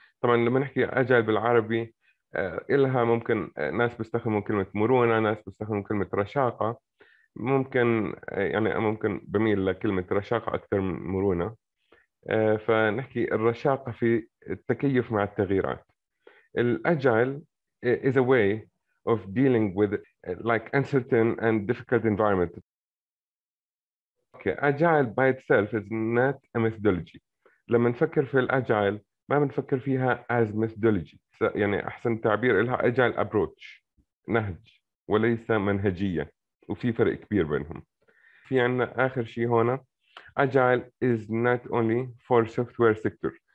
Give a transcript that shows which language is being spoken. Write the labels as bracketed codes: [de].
[ar] طبعا لما نحكي أجايل بالعربي إلها ممكن ناس بيستخدموا كلمة مرونة، ناس بيستخدموا كلمة رشاقة، ممكن يعني ممكن بميل لكلمة رشاقة أكثر من مرونة، فنحكي الرشاقة في التكيف مع التغييرات. [en] الأجايل is a way of dealing with like uncertain and difficult environment. Okay, agile by itself is not a methodology. [ar] لما نفكر في الاجايل ما بنفكر فيها [en] as methodology, [ar] يعني احسن تعبير لها اجايل ابروتش، نهج وليس منهجيه، وفي فرق كبير بينهم. في عندنا اخر شيء هنا، [en] Agile is not only for software sector.